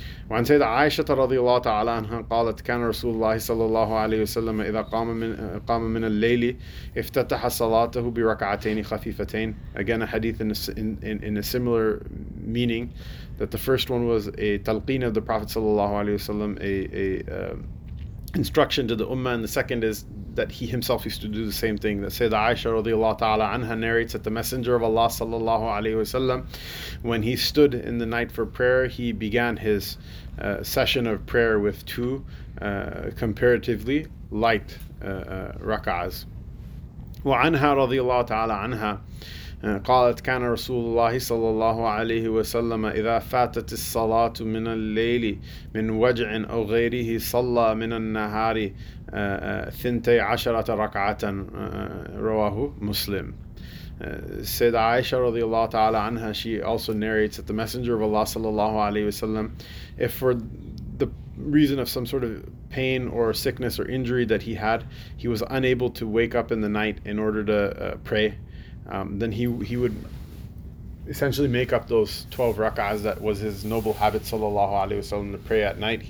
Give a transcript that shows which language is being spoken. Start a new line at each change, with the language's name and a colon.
Arabic: وعن سيدة عائشة رضي الله تعالى عنها قالت كان رسول الله صلى الله عليه وسلم إذا قام من الليل افتتح صلاته بركعتين خفيفتين.
English: Again, a hadith in a similar meaning, that the first one was a talqeen of the Prophet صلى الله عليه وسلم, a instruction to the ummah, and the second is that he himself used to do the same thing. That Sayyidah Aisha radiallahu ta'ala anha narrates that the Messenger of Allah sallallahu alayhi wasallam, when he stood in the night for prayer, he began his session of prayer with two comparatively light rak'ahs.
Arabic: Wa anha radiallahu ta'ala anha قالت كان رسول الله صلى الله عليه وسلم إذا فاتت الصلاة من الليل من وجع أو غيره صلى من النهار ثنتي عشرة ركعة رواه مسلم.
English: Sayyidah Aisha radiallahu ta'ala anha, she also narrates that the Messenger of Allah sallallahu alayhi wasallam, if for the reason of some sort of pain or sickness or injury that he had, he was unable to wake up in the night in order to pray, then he would essentially make up those 12 rak'ahs that was his noble habit, sallallahu alayhi wasallam, to pray at night.